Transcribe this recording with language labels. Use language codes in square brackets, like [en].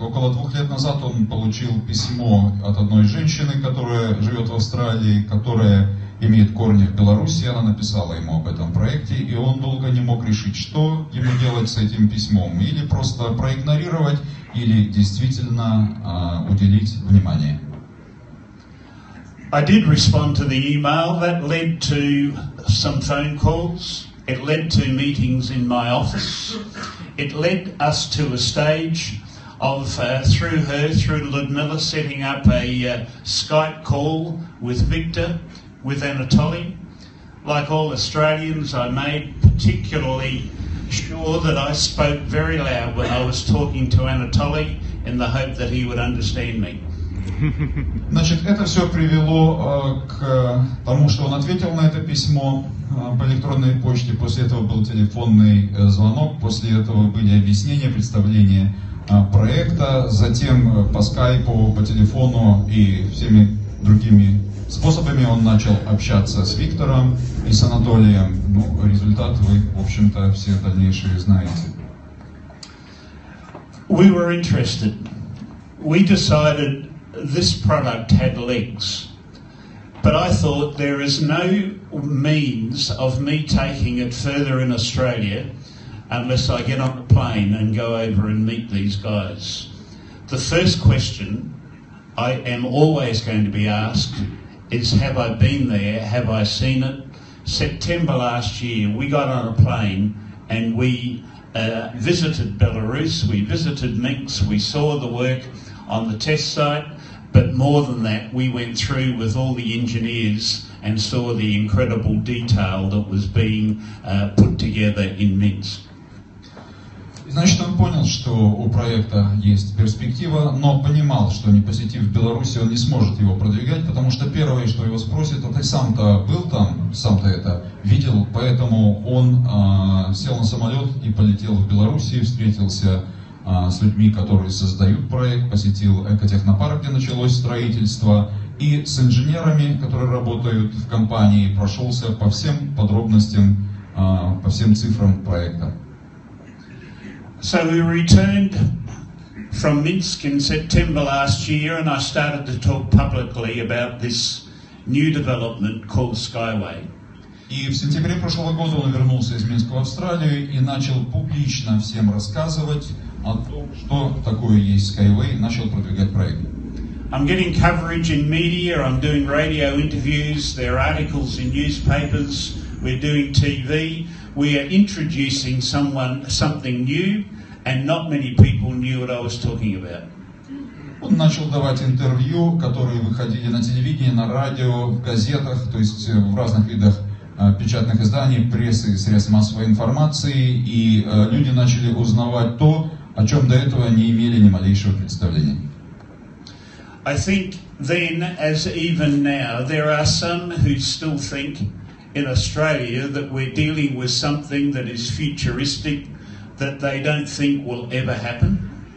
[ru] Около 2 лет назад он получил письмо от одной женщины, которая живет в Австралии, которая имеет корни в Беларуси, она написала ему об этом проекте, и он долго не мог решить, что ему делать с этим письмом, или просто проигнорировать, или действительно уделить внимание. [en] I did respond to the email that led to some phone calls. It led to meetings in my office. It led us to a stage of, through Ludmilla, setting up a Skype call with Victor, with Anatoly. Like all Australians, I made particularly sure that I spoke very loud when I was talking to Anatoly in the hope that he would understand me. [ru] Значит, это все привело к тому, что он ответил на это письмо по электронной почте, после этого был телефонный звонок, после этого были объяснения, представления проекта, затем по скайпу, по телефону и всеми другими способами он начал общаться с Виктором и с Анатолием. Ну, результат вы, в общем-то, все дальнейшие знаете. [en] We were interested. We decided this product had legs, but I thought there is no means of me taking it further in Australia unless I get on a plane and go over and meet these guys. The first question I am always going to be asked is, have I been there? Have I seen it? September last year, we got on a plane and we visited Belarus, we visited Minsk, we saw the work on the test site. But more than that, we went through with all the engineers and saw the incredible detail that was being put together in Minsk. [ru] Значит, он понял, что у проекта есть перспектива, но понимал, что не посетив Беларусь, он не сможет его продвигать, потому что первое, что его спросят, а ты сам-то был там, сам-то это видел, поэтому он сел на самолет и полетел в Беларусь и встретился с людьми, которые создают проект, посетил экотехнопарк, где началось строительство, и с инженерами, которые работают в компании, прошелся по всем подробностям, по всем цифрам проекта. [en] So we returned from Minsk in September last year, and I started to talk publicly about this new development called Skyway. [ru] И в сентябре прошлого года он вернулся из Минска в Австралию и начал публично всем рассказывать о том, что такое есть Skyway, начал продвигать проект. [en] I'm getting coverage in media, I'm doing radio interviews, there are articles in newspapers, we're doing TV. We are introducing someone, something new, and not many people knew what I was talking about. [ru] Он начал давать интервью, которые выходили на телевидении, на радио, в газетах, то есть в разных видах печатных изданий, прессы, средств массовой информации, и люди начали узнавать то, о чем до этого не имели ни малейшего представления. [en] I think then, as even now, there are some who still think in Australia that we're dealing with something that is futuristic, that they don't think will ever happen.